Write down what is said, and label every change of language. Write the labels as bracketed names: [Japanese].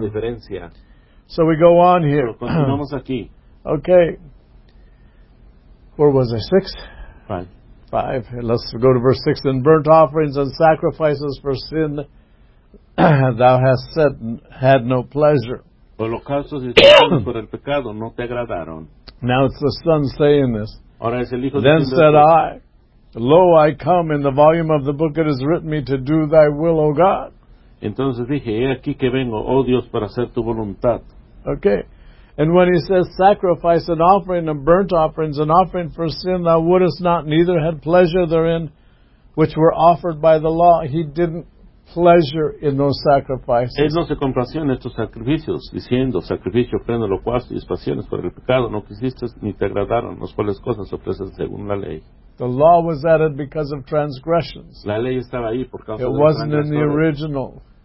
[Spanish] La diferencia. [English] So we go on here. [Spanish] Continuamos aquí. [English] Okay. Where was I? Six? Five. Five. Let's go to verse six. And burnt offerings and sacrifices for sin thou hast said had no pleasure. [Spanish] Holocaustos y sacrificios por el pecado no te agradaron. [English] Now it's the son saying this. [Spanish] Ahora es el hijo [English] then said I, lo, I come in the volume of the book it is written me to do thy will, O God. [Spanish] Entonces dije, he aquí que vengo, oh Dios, para hacer tu voluntad. [English] Okay. And when he says, sacrifice an offering and burnt offerings, an offering for sin, thou wouldest not, neither had pleasure therein, which were offered by the law. He didn't pleasure in those sacrifices. [Spanish] Él no se complació en estos sacrificios, diciendo, sacrificio, ofrenda, holocausto y expiaciones por el pecado, no quisiste ni te agradaron, las cuales cosas ofreces según la ley. [English] The law was added because of transgressions. [Spanish] La ley estaba ahí por causa [English] it [Spanish] de [English] wasn't in the original.